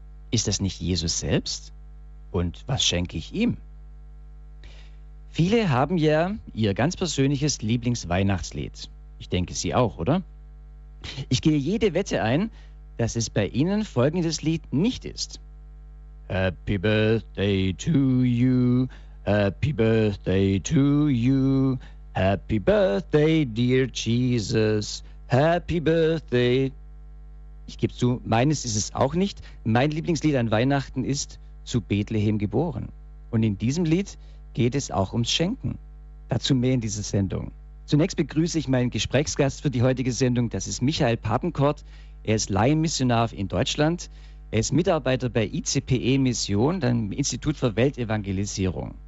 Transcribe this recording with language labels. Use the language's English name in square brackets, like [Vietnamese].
[German] Ist das nicht Jesus selbst? Und was schenke ich ihm? Viele haben ja ihr ganz persönliches Lieblingsweihnachtslied. Ich denke, Sie auch, oder? Ich gehe jede Wette ein, dass es bei Ihnen folgendes Lied nicht ist. [English] Happy birthday to you, happy birthday to you, happy birthday dear Jesus, happy birthday. [German] Ich gebe zu, meines ist es auch nicht. Mein Lieblingslied an Weihnachten ist Zu Bethlehem geboren. Und in diesem Lied geht es auch ums Schenken. Dazu mehr in dieser Sendung. Zunächst begrüße ich meinen Gesprächsgast für die heutige Sendung. Das ist Michael Papenkort. Er ist Laienmissionar in Deutschland. Er ist Mitarbeiter bei ICPE Mission, dem Institut für Weltevangelisierung.